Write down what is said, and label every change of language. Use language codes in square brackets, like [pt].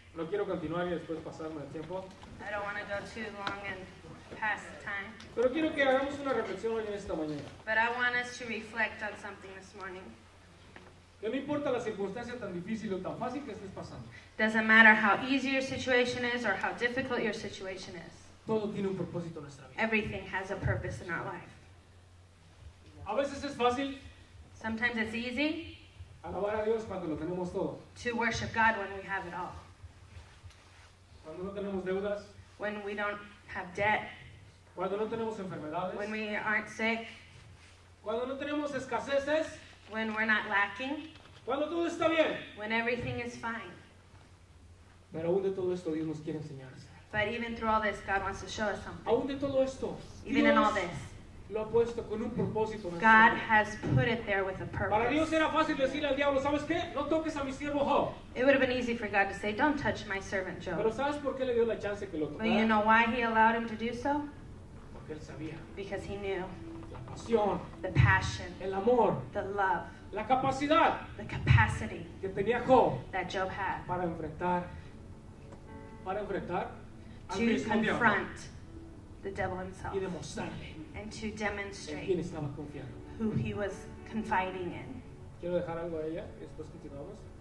[es] No quiero continuar y después pasarme el tiempo. [en] I don't want to go too long and pass the time. [es] Pero quiero que hagamos una reflexión hoy en esta mañana. [en] But I want us to reflect on something this morning. [es] Que no importa la circunstancia tan difícil o tan fácil que estés pasando. [en] Doesn't matter how easy your situation is or how difficult your situation is. [es] Todo tiene un propósito en nuestra vida. [en] Everything has a purpose in our life. [es] A veces es fácil. [en] Sometimes it's easy. [es] Alabar a Dios cuando lo tenemos todo. [en] To worship God when we have it all. [es] Cuando no tenemos deudas. [en] When we don't have debt. [es] Cuando no tenemos enfermedades. [en] When we aren't sick. [es] Cuando no tenemos escaseces. [en] When we're not lacking. [es] Cuando todo está bien. [en] When everything is fine. [es] Pero aún de todo esto Dios nos quiere enseñar. [en] But even through all this, God wants to show us something. [es] Aún de todo esto. [en] Even [es] Dios [en] in all this. [es] Lo ha puesto con un propósito. [en] God has put it there with a purpose. [es] Para Dios era fácil decirle al diablo, ¿sabes qué? No toques a mi siervo Job. [en] It would have been easy for God to say, don't touch my servant Job. [es] Pero ¿sabes por qué le dio la chance que lo tocara? [en] But you know why he allowed him to do so? [es] Porque él sabía. [en] Because he knew. [es] La pasión. [en] The passion. [es] El amor. [en] The love. [es] La capacidad. [en] The capacity. [es] Que tenía Job. [en] That Job had. [es] Para enfrentar. [en] To confront the devil himself. [es] Y demostrarle. [en] And to demonstrate who he was confiding in. [es] Quiero dejar algo a ella y después continuamos.